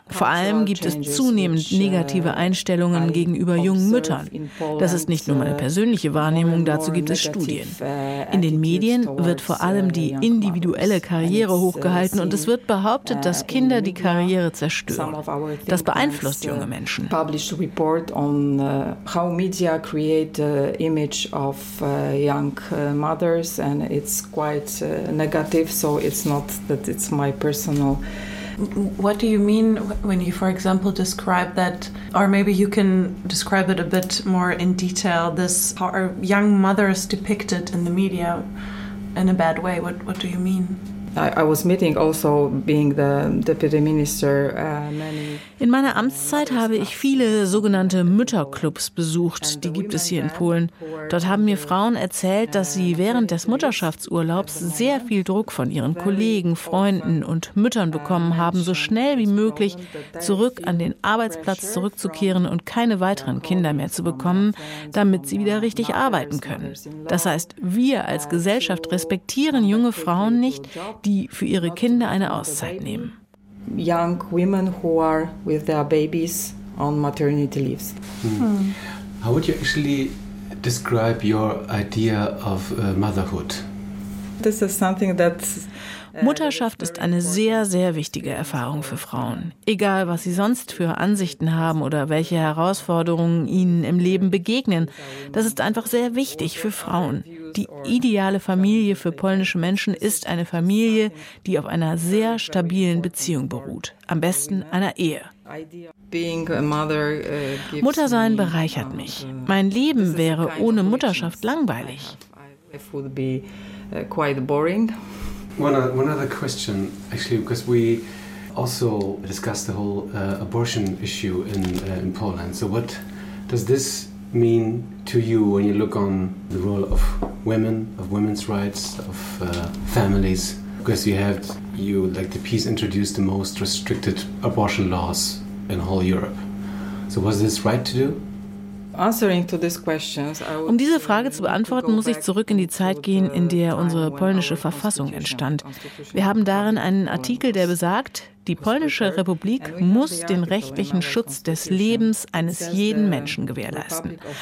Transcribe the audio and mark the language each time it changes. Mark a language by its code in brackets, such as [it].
[de] Vor allem gibt es zunehmend negative Einstellungen gegenüber jungen Müttern. Das ist nicht nur meine persönliche Wahrnehmung, dazu gibt es Studien. In den Medien wird vor allem die individuelle Karriere hochgehalten und es wird behauptet, dass Kinder die Karriere zerstören. Das beeinflusst junge Menschen. [en] How media create the image of young mothers, and it's quite negative, so it's not that it's my personal What do you mean when you, for example, describe that, or maybe you can describe it a bit more in detail, this, how are young mothers depicted in the media in a bad way? What do you mean? I was meeting also being the deputy minister. [de] In meiner Amtszeit habe ich viele sogenannte Mütterclubs besucht. Die gibt es hier in Polen. Dort haben mir Frauen erzählt, dass sie während des Mutterschaftsurlaubs sehr viel Druck von ihren Kollegen, Freunden und Müttern bekommen haben, so schnell wie möglich zurück an den Arbeitsplatz zurückzukehren und keine weiteren Kinder mehr zu bekommen, damit sie wieder richtig arbeiten können. Das heißt, wir als Gesellschaft respektieren junge Frauen nicht, die für ihre Kinder eine Auszeit nehmen. [en] Young women who are with their babies on maternity leaves. How would you actually describe your idea of motherhood? This is something that [de] Mutterschaft ist eine sehr, sehr wichtige Erfahrung für Frauen. Egal, was sie sonst für Ansichten haben oder welche Herausforderungen ihnen im Leben begegnen, das ist einfach sehr wichtig für Frauen. Die ideale Familie für polnische Menschen ist eine Familie, die auf einer sehr stabilen Beziehung beruht, am besten einer Ehe. Muttersein bereichert mich. Mein Leben wäre ohne Mutterschaft langweilig. [en] One other question, actually, because we also discussed the whole abortion issue in Poland. So what does this mean to you when you look on the role of women, of women's rights, of families? Because you, like the peace introduced the most restricted abortion laws in whole Europe. So was this right to do? [de] Um diese Frage zu beantworten, muss ich zurück in die Zeit gehen, in der unsere polnische Verfassung entstand. Wir haben darin einen Artikel, der besagt, die polnische Republik muss den rechtlichen Schutz des Lebens eines jeden Menschen gewährleisten.